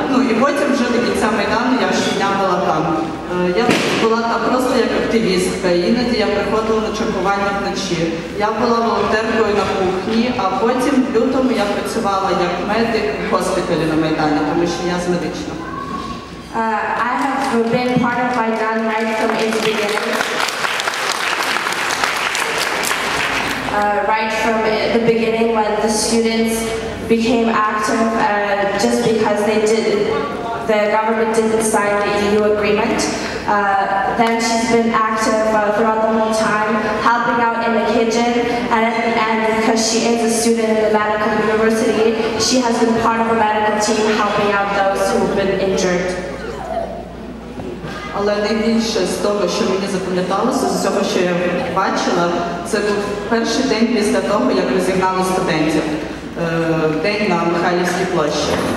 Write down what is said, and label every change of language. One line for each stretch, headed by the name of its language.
Ukrainian: І потім вже до кінця Майдану я щодня була там. Я була там просто як активістка, іноді я приходила на чергування вночі. Я була волонтеркою на кухні, а потім в лютому я працювала як медик в госпіталі на Майдані, тому що я з медична.
English: I have been part of Майдан right from its beginning. Right from the beginning when the students became active just because the government didn't sign the EU agreement. Then she's been active throughout the whole time, helping out in the kitchen, and at the end, because she is a student at the medical university, she has been part of a medical team helping out those who have been injured.
Ukrainian: Але найбільше з того, що мені запам'яталося, з цього, що я бачила, це був перший день після того, як розігнали студентів. День на Михайлівській площі.